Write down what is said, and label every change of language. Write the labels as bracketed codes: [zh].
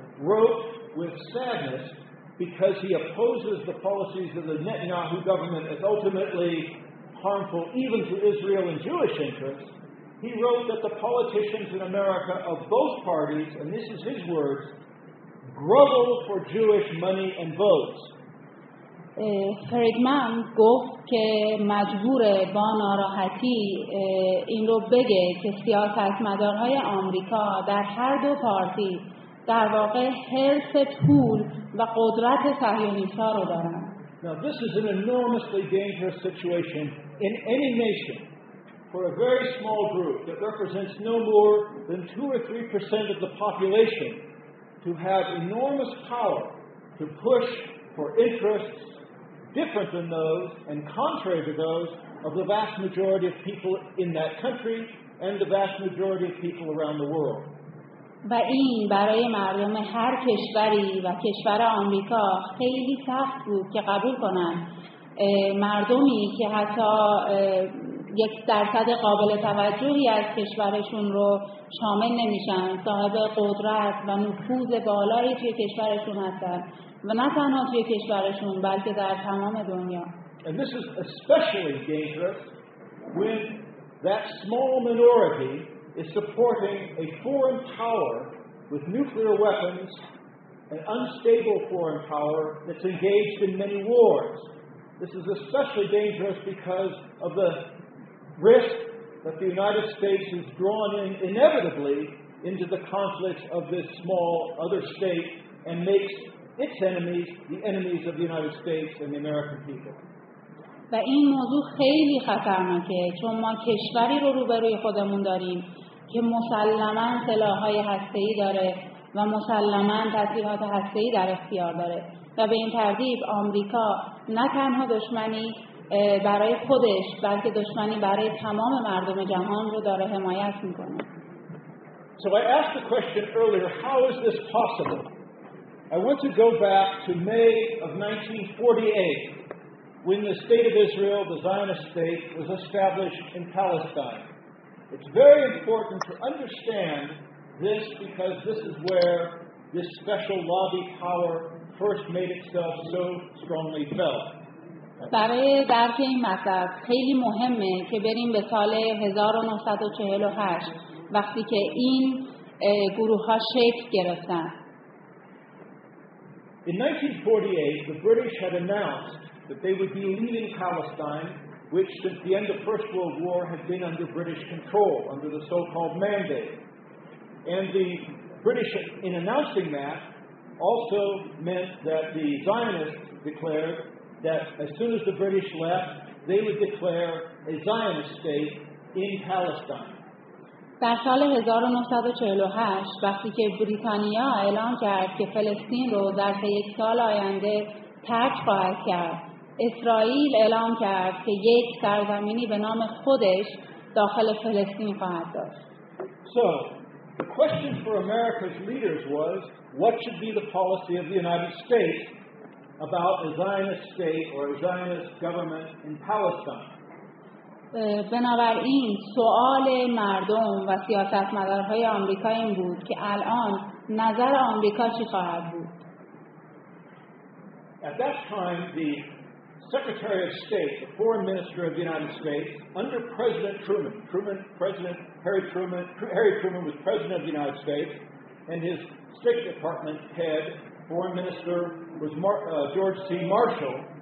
[en] wrote with sadness because he opposes the policies of the Netanyahu government as ultimately harmful even to Israel and Jewish interests. He wrote that the politicians in America of both parties, and this is his words, grovel for Jewish money and votes. [fa] فریدمن گفت که مجبور با ناراحتی این رو بگه که سیاستمدارهای آمریکا در هر دو پارتی در واقع حرص پول و قدرت صهیونیست‌ها رو دارن. [en] Now this is an enormously dangerous situation in any nation for a very small group that represents no more than 2-3% of the population to have enormous power to push for interests different than those and contrary to those of the vast majority of people in that country and the vast majority of people around the world. [fa] و این برای مردم هر کشوری و کشور آمریکا خیلی سخت بود که قبول کنند مردمی که حتی یک درصد قابل توجهی از کشورشون رو شامل نمیشن، صاحب قدرت و نفوذ بالایی توی کشورشون هستن و نه تنها توی کشورشون بلکه در تمام دنیا. [en] And this is especially dangerous when that small minority is supporting a foreign power with nuclear weapons, an unstable foreign power that's engaged in many wars. This is especially dangerous because of the risk that the United States is drawn in inevitably into the conflicts of this small other state and makes its enemies the enemies of the United States and the American people. [fa] و این موضوع خیلی خطرناکه چون ما کشوری رو روبروی خودمون داریم که مسلماً سلاح‌های هسته‌ای داره و مسلماً تسلیحات هسته‌ای در اختیار داره و به این ترتیب آمریکا نه تنها دشمنی برای خودش بلکه دشمنی برای تمام مردم جهان رو داره حمایت می‌کنه. [en] So I asked the question earlier, how is this possible? I want to go back to May of 1948 when the state of Israel, the Zionist state, was established in Palestine. It's very important to understand this because this is where this special lobby power first made itself so strongly felt. [fa] برای درک این مطلب خیلی مهمه که بریم به سال 1948 وقتی که این گروه‌ها شکل گرفتن. [en] In 1948, the British had announced that they would be leaving Palestine, which since the end of First World War had been under British control, under the so-called Mandate. And the British, in announcing that, also meant that the Zionists declared that as soon as the British left, they would declare a Zionist state in Palestine. [fa] در سال 1948، وقتی که بریتانیا اعلام کرد که فلسطین رو در یک سال آینده ترک خواهد کرد، اسرائیل اعلام کرد که یک سرزمینی به نام خودش داخل فلسطین خواهد داشت. [en] So, the question for America's leaders was, what should be the policy of the United States about a Zionist state or a Zionist government in Palestine? [fa] بنابراین سوال مردم و سیاستمدارهای آمریکا این بود که الان نظر آمریکا چی خواهد بود؟ [en] At that time, the Secretary of State, the Foreign Minister of the United States, under President Truman, Harry Truman was President of the United States, and his State Department head, Foreign Minister, was George C. Marshall.